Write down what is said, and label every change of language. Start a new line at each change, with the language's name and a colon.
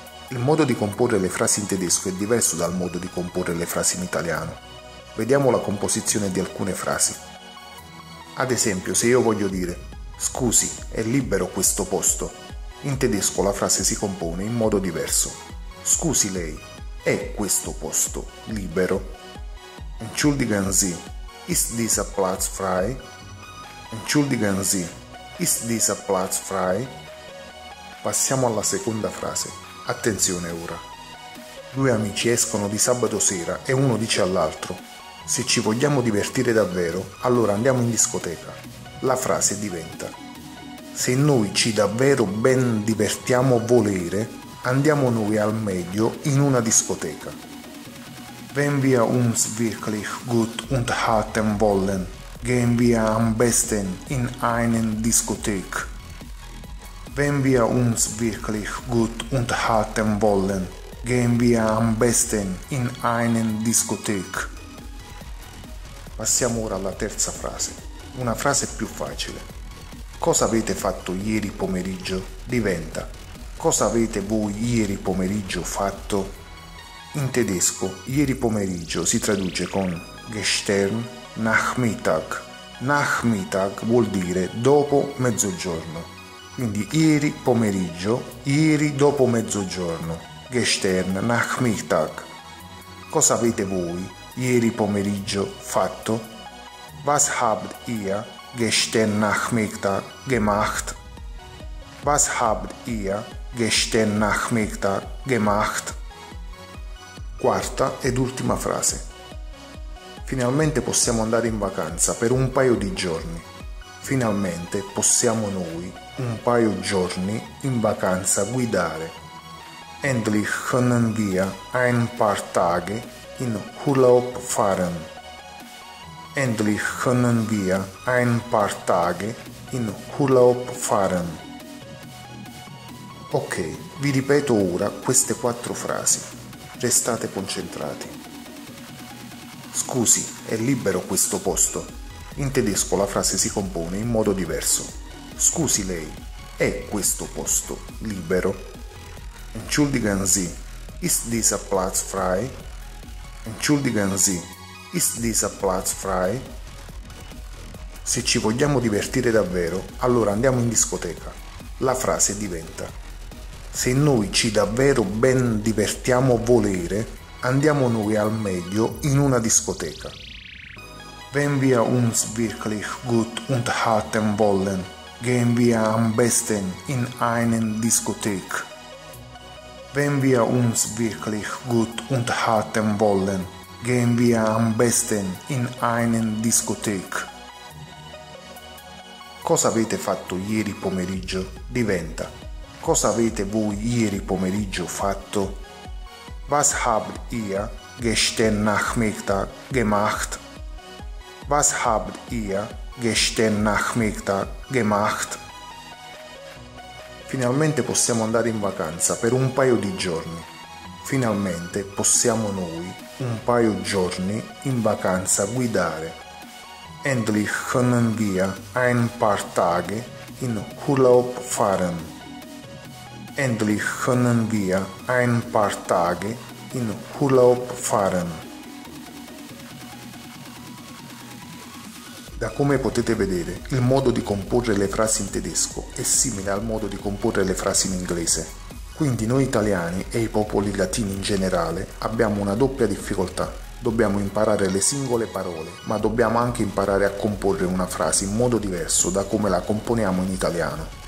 Italian: Il modo di comporre le frasi in tedesco è diverso dal modo di comporre le frasi in italiano. Vediamo la composizione di alcune frasi. Ad esempio, se io voglio dire «Scusi, è libero questo posto?», in tedesco la frase si compone in modo diverso. «Scusi lei, è questo posto libero?»
German: «Entschuldigen Sie, ist dieser Platz frei?» «Entschuldigen Sie, ist dieser Platz frei?»
Italian: Passiamo alla seconda frase. Attenzione ora. Due amici escono di sabato sera e uno dice all'altro: «Se ci vogliamo divertire davvero, allora andiamo in discoteca». La frase diventa: «Se noi ci davvero ben divertiamo volere, andiamo noi al meglio in una discoteca».
German: «Wenn wir uns wirklich gut unterhalten wollen, gehen wir am besten in einen Diskothek». «Wenn wir uns wirklich gut unterhalten wollen, gehen wir am besten in einen Diskothek».
Italian: Passiamo ora alla terza frase, una frase più facile. «Cosa avete fatto ieri pomeriggio?» diventa: «Cosa avete voi ieri pomeriggio fatto?» In tedesco, ieri pomeriggio si traduce con
German: gestern Nachmittag.
Italian: Nachmittag vuol dire dopo mezzogiorno. Quindi ieri pomeriggio, ieri dopo mezzogiorno.
German: Gestern Nachmittag.
Italian: Cosa avete voi ieri pomeriggio fatto?
German: Was habt ihr gestern Nachmittag gemacht? Was habt ihr gestern Nachmittag gemacht?
Italian: Quarta ed ultima frase. Finalmente possiamo andare in vacanza per un paio di giorni. Finalmente possiamo noi un paio giorni in vacanza guidare.
German: Endlich können wir ein paar Tage in Urlaub fahren. Endlich können wir ein paar Tage in Urlaub fahren.
Italian: Ok, vi ripeto ora queste quattro frasi. Restate concentrati. Scusi, è libero questo posto? In tedesco la frase si compone in modo diverso. Scusi lei, è questo posto libero?
German: Entschuldigen Sie, ist dieser Platz frei? Entschuldigen Sie, ist dieser Platz frei?
Italian: Se ci vogliamo divertire davvero, allora andiamo in discoteca. La frase diventa: se noi ci davvero ben divertiamo volere, andiamo noi al meglio in una discoteca.
German: Wenn wir uns wirklich gut unterhalten wollen, gehen wir am besten in einen Diskothek. Wenn wir uns wirklich gut unterhalten wollen, gehen wir am besten in einen Diskothek.
Italian: Cosa avete fatto ieri pomeriggio? Diventa: cosa avete voi ieri pomeriggio fatto?
German: Was habt ihr gestern Nachmittag gemacht? Was habt ihr gestern Nachmittag gemacht?
Italian: Finalmente possiamo andare in vacanza per un paio di giorni. Finalmente possiamo noi un paio giorni in vacanza guidare.
German: Endlich können wir ein paar Tage in Urlaub fahren. Endlich können wir ein paar Tage in Urlaub fahren.
Italian: Da come potete vedere, il modo di comporre le frasi in tedesco è simile al modo di comporre le frasi in inglese. Quindi noi italiani e i popoli latini in generale abbiamo una doppia difficoltà. Dobbiamo imparare le singole parole, ma dobbiamo anche imparare a comporre una frase in modo diverso da come la componiamo in italiano.